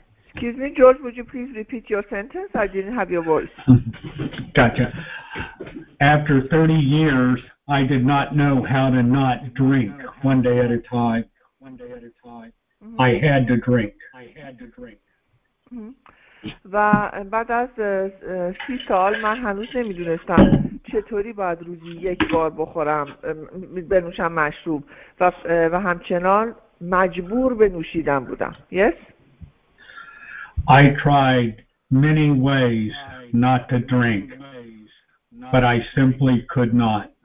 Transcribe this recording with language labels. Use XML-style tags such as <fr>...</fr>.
<en>Excuse me, George, would you please repeat your sentence? I didn't have your voice. Gotcha. After 30 years, I did not know how to not drink one day at a time. One day at a time. I had to drink. I had to drink.</en> <fa>و بعد از 30 سال من هنوز نمیدونستم چطوری باید روزی یک بار بخورم بنوشم مشروب و همچنان مجبور به نوشیدن بودم.</fa> <en>Yes? I tried many ways not to drink, but I simply could not.</en>